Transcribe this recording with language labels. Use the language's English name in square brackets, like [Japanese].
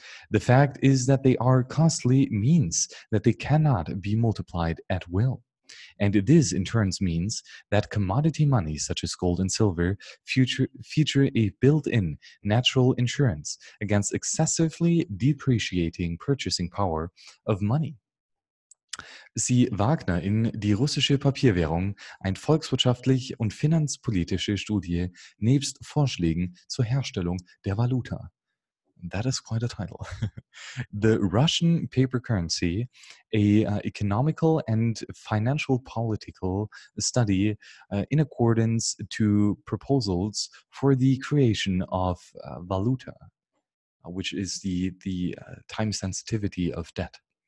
[English] The fact is that they are costly means that they cannot be multiplied at will. And this in turn means that commodity money such as gold and silver feature a built-in natural insurance against excessively depreciating purchasing power of money. [German] Sie Wagner in die russische Papierwährung, ein volkswirtschaftlich und finanzpolitische Studie nebst Vorschlägen zur Herstellung der Valuta. [English] That is quite a title. The Russian paper currency, a economical and financial political study in accordance to proposals for the creation of valuta, which is the time sensitivity of debt.